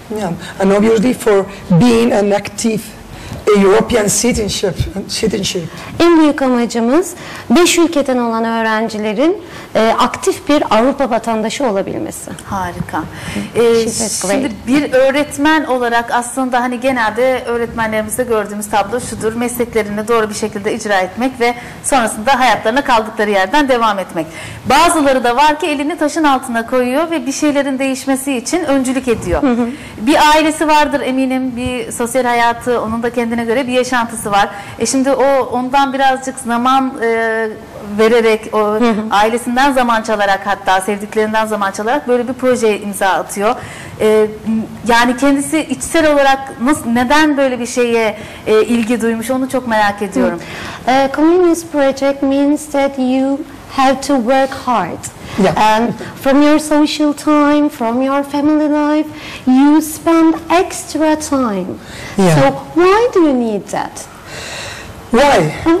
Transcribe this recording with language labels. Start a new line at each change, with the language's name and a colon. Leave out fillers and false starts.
English: Yeah, and obviously for being an active European citizenship.
Turkish: En büyük amacımız 5 ülkeden olan öğrencilerin aktif bir Avrupa vatandaşı olabilmesi. Harika. Şimdi bir öğretmen olarak aslında hani genelde öğretmenlerimizde gördüğümüz tablo şudur. Mesleklerini doğru bir şekilde icra etmek ve sonrasında hayatlarına kaldıkları yerden devam etmek. Bazıları da var ki elini taşın altına koyuyor ve bir şeylerin değişmesi için öncülük ediyor. Bir ailesi vardır eminim, bir sosyal hayatı, onun da kendine göre bir yaşantısı var. Şimdi ondan birazcık zaman vererek, ailesinden zaman çalarak, hatta sevdiklerinden zaman çalarak böyle bir projeye imza atıyor. Yani kendisi içsel olarak neden böyle bir şeye ilgi duymuş, onu çok merak ediyorum.
English: Communist project means that you have to work hard. Yeah. And from your social time, from your family life, you spend extra time. Yeah. So why do you need that? Why?